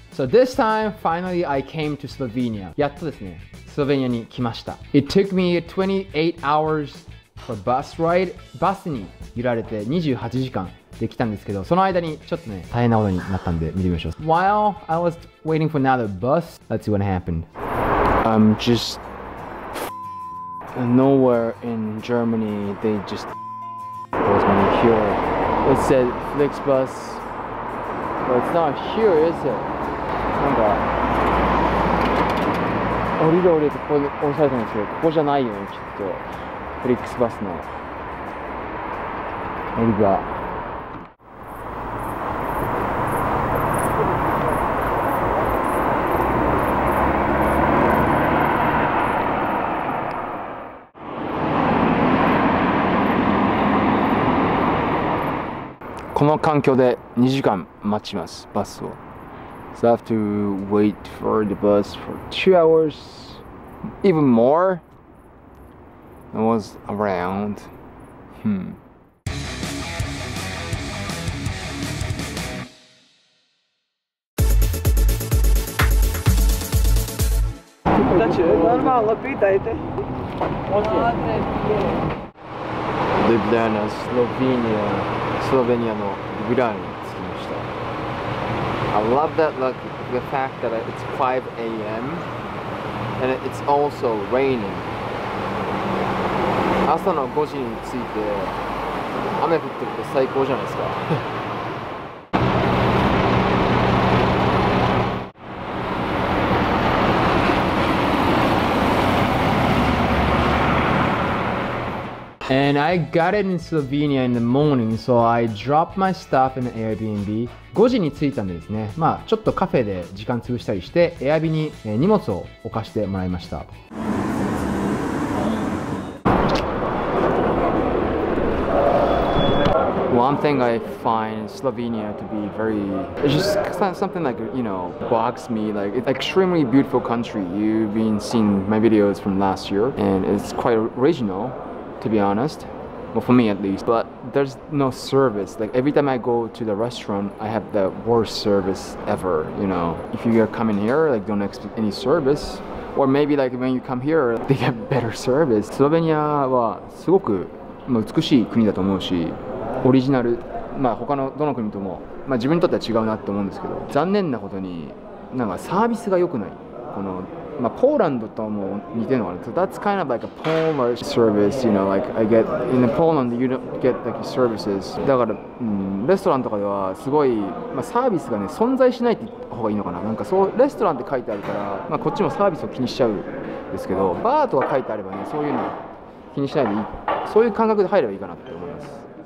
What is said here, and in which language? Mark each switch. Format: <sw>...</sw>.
<en>So this time, finally, I came to Slovenia.</en> <ja>やっとですね、スロベニアに来ました。</ja> <en>It took me 28 hours for bus ride.</en> <ja>バスに揺られて28時間で来たんですけど、その間にちょっとね、大変なことになったんで見てみましょう。</ja> <en>While I was waiting for another bus, let's see what happened. I'm just... Nowhere in Germany, they just... Here. It said Flixbus. But it's not here, is it?</en> <ja>なんか降りる降りるってここで押されてるんですけど、ここじゃないよね、きっと。 Flixbus の降りが。この環境で2時間待ちます、バスを。</ja> <en>So I have to wait for the bus for 2 hours. Even more? I was around. Ljubljana, Slovenia.</en> <ja>スロベニアのリブラーに着きました。</ja> <en>I love that look, the fact that it's 5 a.m. and it's also raining.</en> <ja>朝の5時に着いて雨降ってると最高じゃないですか。</ja> <en>And I got it in Slovenia in the morning, so I dropped my stuff in the Airbnb.</en> <ja>5時に着いたんでですね、まあちょっとカフェで時間潰したりして、Airbnb に荷物を置かしてもらいました。</ja> <en>One thing I find Slovenia to be very, it's just something like, you know, bugs me. Like, it's an extremely beautiful country. You've been seeing my videos from last year, and it's quite original. To be honest, well, for me at least, but there's no service. Like every time I go to the restaurant, I have the worst service ever, you know. If you are coming here, like don't expect any service. Or maybe like when you come here, they get better service.</en> <ja>Slovenia はすごく美しい国だと思うし、オリジナル、まあ他のどの国とも、まあ自分にとっては違うなと思うんですけど、残念なことに、なんかサービスが良くない。このまあ、ポーランドとも似てるのかな。</ja> <en>So that's kind of like a Polish service, you know, like I get in Poland, you don't get like services.</en> <ja>だから、うん、レストランとかではすごい、まあ、サービスがね、存在しないって言った方がいいのかな。なんかそう、レストランって書いてあるから、まあ、こっちもサービスを気にしちゃうんですけど、バーとか書いてあればね、そういうの気にしないでいい、そういう感覚で入ればいいかなって思います。</ja>